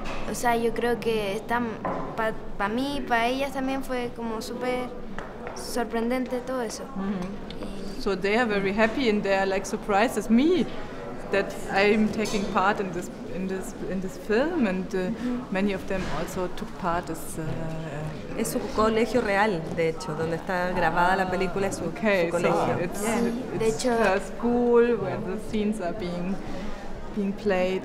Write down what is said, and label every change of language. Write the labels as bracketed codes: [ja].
[es] O sea, yo creo que para mí y para ellas también fue como súper sorprendente todo eso. Mm-hmm. [en] So they are very happy and they are like surprised as me that I'm taking part in this film and many of them also took part as... [es] Es su colegio real, de hecho, donde está grabada la película es su colegio. De hecho, [en] it's her school where the scenes are being played.